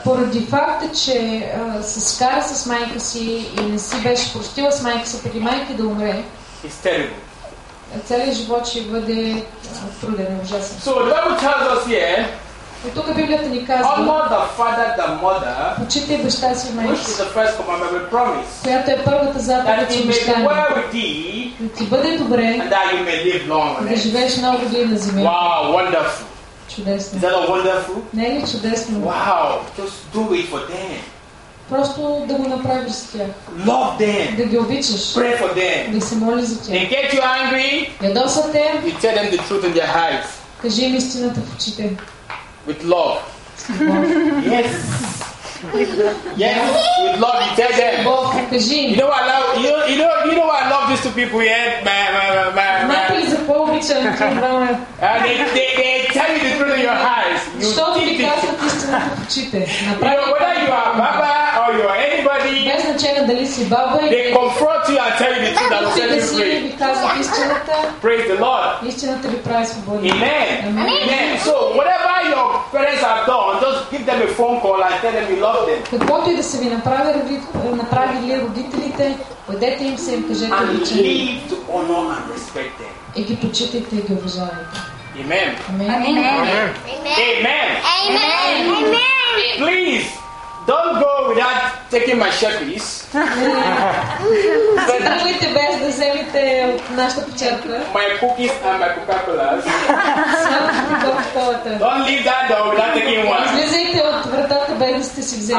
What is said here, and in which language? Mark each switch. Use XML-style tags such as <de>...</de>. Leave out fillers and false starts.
<bg>Поради факта, че се скара с майка си и не си беше простила с майка си преди майка да умре,</bg> <en>it's terrible.</en> <bg>Целият живот ще бъде труден, ужасен.</bg> <en>So the Bible tells us here.</en> <bg>И тук Библията ни казва,</bg> <en>honor the father, the mother.</en> <bg>Почитай баща си и майка.</bg> <en>Which is the first commandment, promise.</en> <bg>Която е първата заповед, че обещание.</bg> <en>That it may be well with thee.</en> <bg>Да ти бъде добре.</bg> <en>And that you may live long.</en> <bg>Да живееш много години на земята.</bg> <en>Wow, wonderful.</en> <bg>Чудесно.</bg> <en>Is that a wonderful?</en> <bg>Не е ли чудесно?</bg> <en>Wow, just do it for them.</en> <bg>Просто да го направиш за тях.</bg> <en>Love them.</en> <bg>Да ги обичаш.</bg> <en>Pray for them.</en> <bg>Да се моли за тях.</bg> <en>They get you angry.</en> <bg>Ядоса те.</bg> <en>You tell them the truth in their eyes.</en> <bg>Кажи им истината в очите.</bg> <en>With love. Yes. Yes. Yes. With love, you tell them.</en> <bg>Кажи.</bg> <en>You know what I love? You know what I love these two people here? Yeah? Man. They tell you the truth in your eyes. You think this. You know, whether you are Baba or you are anybody,</en> <bg>без значение дали си баба</bg> <en>или they confront you and tell you the truth that will set you free. Praise the Lord.</en> <bg>Истината ви прави свободни.</bg> <en>Amen. So whatever your parents have done, just give them a phone call and tell them you love them.</en> <bg>Каквото и да са ви направили родителите, бъдете им се и кажете обичам.</bg> <en>And live to honor and respect them.</en> <bg>И ги почитайте и ги уважавайте.</bg> <en>Amen. Amen. Amen. Amen. Amen. Amen. Amen. Amen. Please, don't go without taking my sheepies.</en> <bg>Не тръгвайте без да вземете от нашата печатка.</bg> <en>My cookies and my Coca-Colas. Don't leave that door without taking one.</en> <bg>Излизайте от вратата без да сте си взели.</bg>